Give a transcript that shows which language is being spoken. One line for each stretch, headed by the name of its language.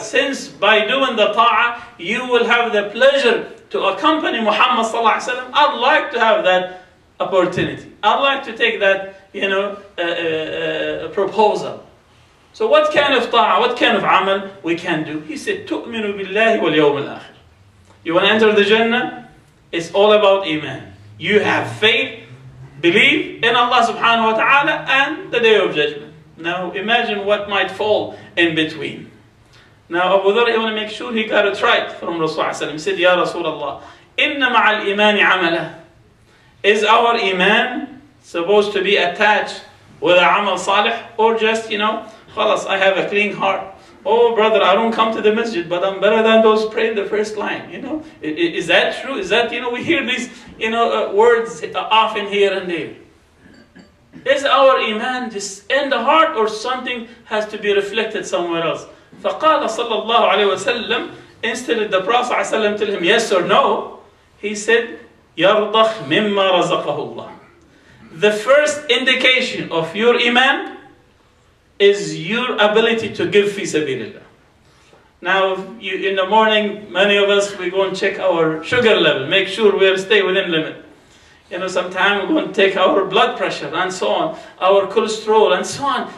English: Since by doing the ta'a, you will have the pleasure to accompany Muhammad sallallahu alayhi wa sallam, I'd like to have that opportunity. I'd like to take that, you know, proposal. So what kind of ta'a, what kind of amal we can do? He said,
Arabic: تُؤْمِنُ بِاللَّهِ وَالْيَوْمِ الْآخِرِ.
English: You want to enter the Jannah? It's all about iman. You have faith, believe in Allah subhanahu wa ta'ala and the Day of Judgment. Now imagine what might fall in between. Now Abu Dharr, he want to make sure he got it right from Rasulullah. He said,
Arabic: Ya Rasulullah, إِنَّ مَعَ الْإِيمَانِ عَمَلًا.
English: Is our iman supposed to be attached with a amal salih, or just, you know, khalas, I have a clean heart. Oh brother, I don't come to the masjid, but I'm better than those pray in the first line. You know, is that true? Is that, you know, we hear these, you know, words often here and there. Is our iman just in the heart, or something has to be reflected somewhere else?
Arabic: فَقَالَ صَلَّى اللَّهُ عَلَيْهِ وَسَلَّمْ.
English: Instead, the Prophet ﷺ tell him yes or no. He said,
Arabic: يَرْضَخْ مِمَّا رَزَقَهُ اللَّهُ.
English: The first indication of your iman is your ability to give fi sabilillah. Now, you, in the morning, many of us, we go and check our sugar level, make sure we stay within limit. You know, sometimes we go and take our blood pressure and so on, our cholesterol and so on.